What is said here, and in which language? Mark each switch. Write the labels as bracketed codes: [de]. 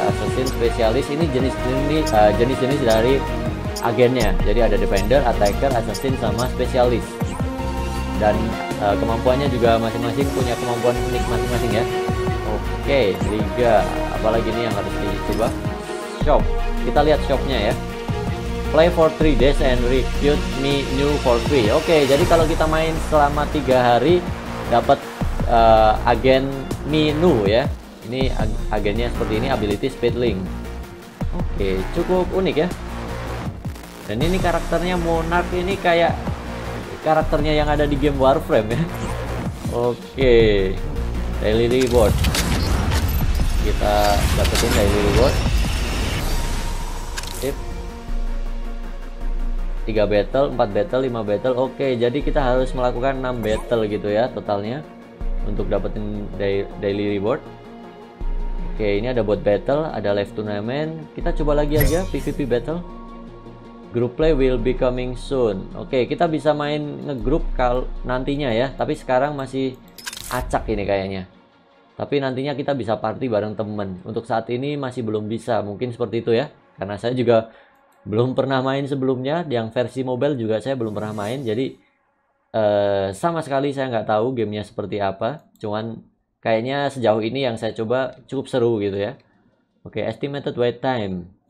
[id] Assassin, spesialis, ini jenis-jenis dari agennya. Jadi ada defender, attacker, assassin, sama spesialis. dan kemampuannya juga masing-masing punya kemampuan unik masing-masing ya. Oke, liga, apalagi ini yang harus dicoba. Shop, kita lihat shopnya ya. [en] Play for 3 days and recruit me new for free. [id] Oke, jadi kalau kita main selama 3 hari dapat agen me new ya. Ini agennya seperti ini, ability speed link. Oke, cukup unik ya. Dan ini karakternya Monarch, ini kayak karakternya yang ada di game Warframe ya. Oke, daily reward, kita dapetin daily reward. Sip. 3 battle, 4 battle, 5 battle. Oke, jadi kita harus melakukan 6 battle gitu ya totalnya untuk dapetin daily reward. Oke, ini ada bot battle, ada live tournament. Kita coba lagi aja PvP battle. [en] Group play will be coming soon. [id] Oke, kita bisa main ngegroup kalau nantinya ya, tapi sekarang masih acak ini kayaknya. Tapi nantinya kita bisa party bareng temen. Untuk saat ini masih belum bisa, mungkin seperti itu ya. Karena saya juga belum pernah main sebelumnya, yang versi mobile juga saya belum pernah main. Jadi sama sekali saya nggak tahu gamenya seperti apa. Cuman kayaknya sejauh ini yang saya coba cukup seru gitu ya. [en] Oke, estimated wait time.